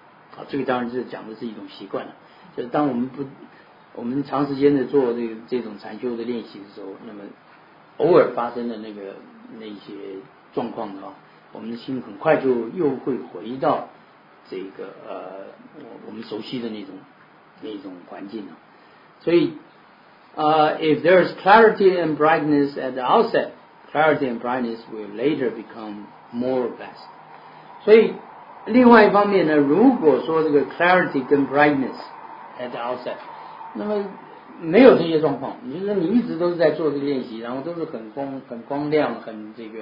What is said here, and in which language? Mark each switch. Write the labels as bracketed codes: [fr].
[zh] 好，这个当然是讲的是一种习惯了，就是当我们长时间的做这种禅修的练习的时候，那么偶尔发生的那些状况的话，我们的心很快就又会回到这个我们熟悉的那种环境了。 [en] 所以if there is clarity and brightness at the outset, clarity and brightness will later become more vast. [zh] 所以另外一方面呢，如果说这个 clarity 跟 [en] brightness at the outset, [zh] 那么没有这些状况，就是你一直都是在做这个练习，然后都是很光亮，很